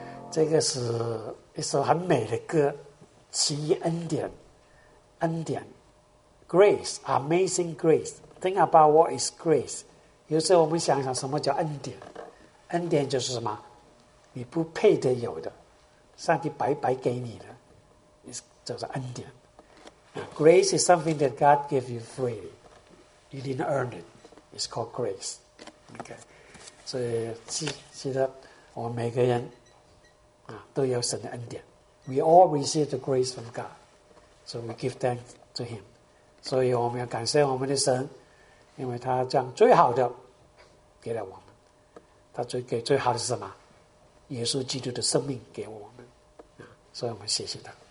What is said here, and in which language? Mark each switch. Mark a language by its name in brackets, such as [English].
[Chinese] 这个是一首很美的歌，奇异恩典，恩典 ， [English] grace， amazing grace。 Think about what is grace。 [Chinese] 有时候我们想想，什么叫恩典？恩典就是什么？你不配得有的，上帝白白给你的。就是恩典。 [English] Grace is something that God gave you freely. You didn't earn it. It's called grace. Okay. [Chinese] 所以记得我们每个人都有神的恩典。 [English] We all receive the grace from God. So we give thanks to Him. [Chinese] 所以我们要感谢我们的神，因为他将最好的给了我们。他最给最好的是什么？耶稣基督的生命给我们。所以我们谢谢他。